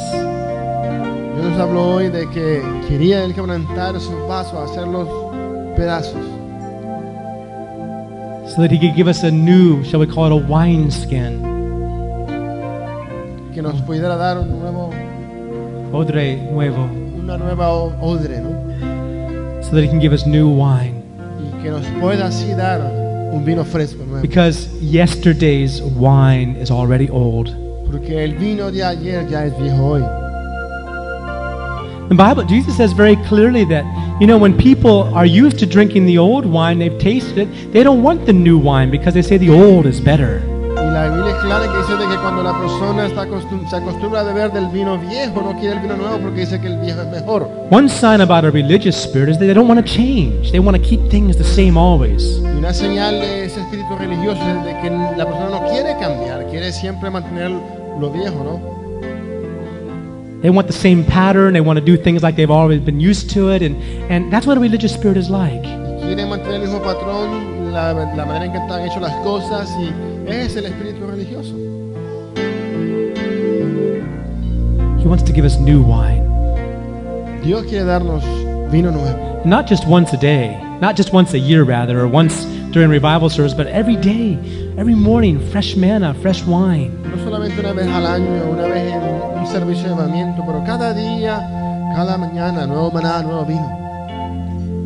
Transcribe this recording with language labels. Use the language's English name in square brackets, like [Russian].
[Spanish] Dios habló hoy de que quería el quebrantar su vaso, hacerlos pedazos. [English] So that he could give us a new, shall we call it a wineskin. [Spanish] Que nos pudiera dar un nuevo odre nuevo. Una nueva odre, ¿no? [English] So that he can give us new wine. [Spanish] Que nos pueda así dar un vino fresco nuevo. [English] Because yesterday's wine is already old. [Spanish] Porque el vino de ayer ya es viejo hoy. [English] The Bible, Jesus says very clearly that, you know, when people are used to drinking the old wine, they've tasted it, they don't want the new wine because they say the old is better. [Spanish] Y la Biblia es clara que dice de que cuando la persona se acostumbra a beber del vino viejo, no quiere el vino nuevo porque dice que el viejo es mejor. [English] One sign about a religious spirit is that they don't want to change. They want to keep things the same always. [Spanish] Y una señal de ese espíritu religioso es de que la persona no quiere cambiar, quiere siempre mantener lo viejo, ¿no? [English] They want the same pattern, they want to do things like they've always been used to it, and that's what a religious spirit is like. [Spanish] Quiere mantener el mismo patrón, la manera en que están hechas las cosas, y es el espíritu religioso. [English] He wants to give us new wine. [Spanish] Dios quiere darnos vino nuevo. [English] Not just once a day. not just once a year, rather, or once during revival service, but every day, every morning, fresh manna, fresh wine. [Spanish] No solamente una vez al año, una vez en un servicio de llamamiento, pero cada día, cada mañana, nuevo maná, nuevo vino.